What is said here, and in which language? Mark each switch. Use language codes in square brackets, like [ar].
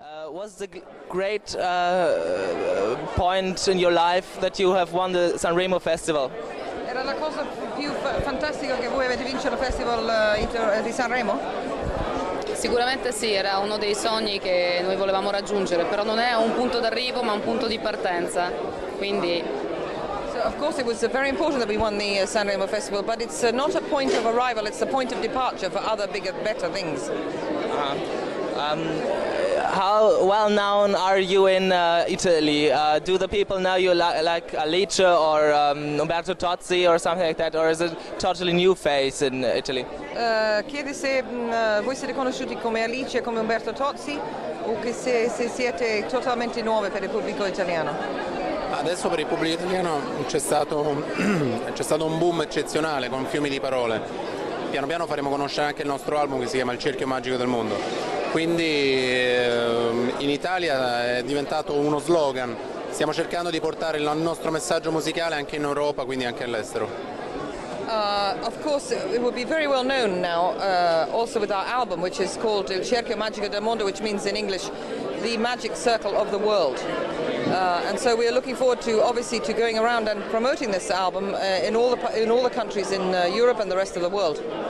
[en] What's the great point in your life that you have won the San Remo Festival? [it] Era la cosa più fantastica che voi avete vinto il festival di San Remo? Sicuramente sì, era uno dei sogni che noi volevamo raggiungere, però non è un punto d'arrivo ma un punto di partenza, quindi... [en] Of course, it was very important that we won the San Remo Festival, but it's not a point of arrival, it's a point of departure for other, bigger, better things. How well known are you in Italy? Do the people know you like Alice or Umberto Tozzi or something like that, or is it a totally new face in Italy? [it] Chiede se voi siete conosciuti come Alice, come Umberto Tozzi, o che se siete totalmente nuovi per il pubblico italiano. Adesso per il pubblico italiano c'è stato un boom eccezionale con fiumi di parole. Piano piano faremo conoscere anche il nostro album che si chiama Il Cerchio Magico del Mondo. Quindi in Italia è diventato uno slogan. Stiamo cercando di portare il nostro messaggio musicale anche in Europa, quindi anche all'estero. [en] Of course, it would be very well known now, also with our album, which is called Il Cerchio Magico del Mondo, which means in English The Magic Circle of the World. And so we are looking forward to, obviously, to going around and promoting this album in all the countries in Europe and the rest of the world.